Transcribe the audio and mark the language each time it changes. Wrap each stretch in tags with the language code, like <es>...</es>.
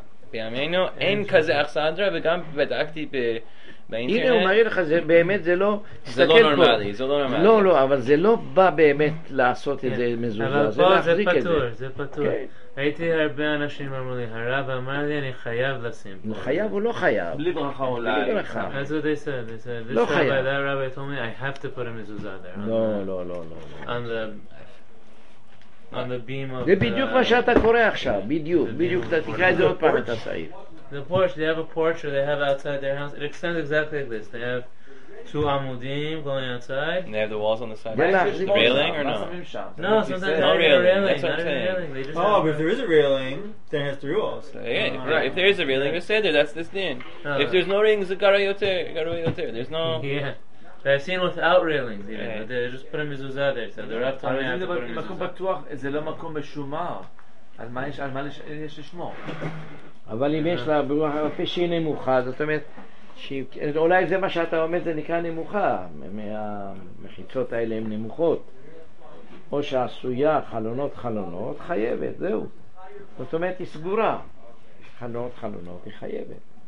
<he>בימינו אין כזה אכסדרה, וגם בדקתי באינטרנט. הנה הוא מראה לך, זה באמת, זה לא, זה לא נורמלי, זה לא נורמלי. לא, לא, אבל זה לא בא באמת לעשות את זה מזוזה, זה להחזיק את זה. זה פתור, זה פתור. הייתי הרבה אנשים אמרו לי, הרב אמר לי, אני חייב לשים פה. חייב או לא חייב? בלי ברכה אולי. בלי ברכה.</he> <en>That's what they said. They said,</en> <he>לא חייב.</he> <en>That rabbi told me, I have to put a mezuzah there.</en> <he>לא, לא, לא, לא.</he> <en>On the beam of...</en> <he>זה בדיוק מה שאתה קורא עכשיו. בדיוק. בדיוק. תקרא את זה עוד פעם את הסעיף.</he> <en>The porch, they have a porch where they have outside their house. It extends exactly like this. They have... two amudim going outside. And they have the walls on the side. The railing or no? No, sometimes not railing. That's what I'm saying. Oh, but if there is a railing, then it has three walls. Yeah, if there is a railing, just say there. That's this din. If there's no railing, it's a garayoter. There's no... Yeah. I've seen without railings even. They just put a mezuzah there. So the Rav told me I have to put a mezuzah. But it's not a place in Shumar. What is it? But if there is a place in Shumar, that means...</en> <he>אולי זה מה שאתה אומר, זה נקרא נמוכה, מהמחיצות האלה הן נמוכות, או שעשויה חלונות חלונות חייבת, זהו, זאת אומרת היא סגורה, חלונות חלונות היא חייבת.</he>